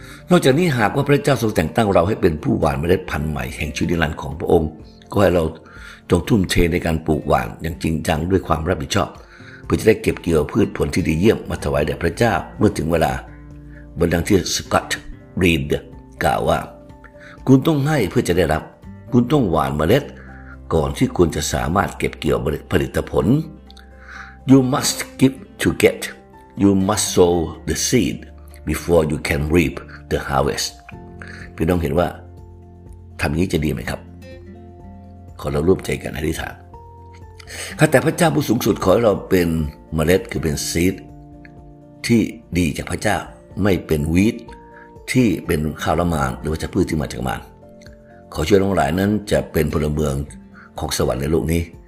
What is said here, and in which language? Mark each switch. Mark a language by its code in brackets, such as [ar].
[th] นอกจากนี้หากว่าพระเจ้าทรงแต่งตั้งเราให้เป็นผู้หว่านเมล็ดพันธุ์ใหม่แห่งชีวิตนิรันดร์ของพระองค์ก็ให้เราจงทุ่มเทในการปลูกหว่านอย่างจริงจังด้วยความรับผิดชอบเพื่อจะได้เก็บเกี่ยวพืชผลที่ดีเยี่ยมมาถวายแด่พระเจ้าเมื่อถึงเวลาเหมือนดังที่สกอตต์รีดกล่าวว่าคุณต้องให้เพื่อจะได้รับคุณต้องหว่านเมล็ดก่อนที่คุณจะสามารถเก็บเกี่ยวผลิตผล [en] You must give to get, you must sow the seed before you can reap the harvest. [th] พี่น้องเห็นว่าทำงี้จะดีไหมครับขอเราร่วมใจกันอธิษฐานข้าแต่พระเจ้าผู้สูงสุดขอให้เราเป็นเมล็ดคือเป็นซีดที่ดีจากพระเจ้าไม่เป็นวีดที่เป็นข้าวละมานหรือว่าพืชที่มาจากมารขอช่วยน้องหลายนั้นจะเป็นพลเมืองของสวรรค์ในโลกนี้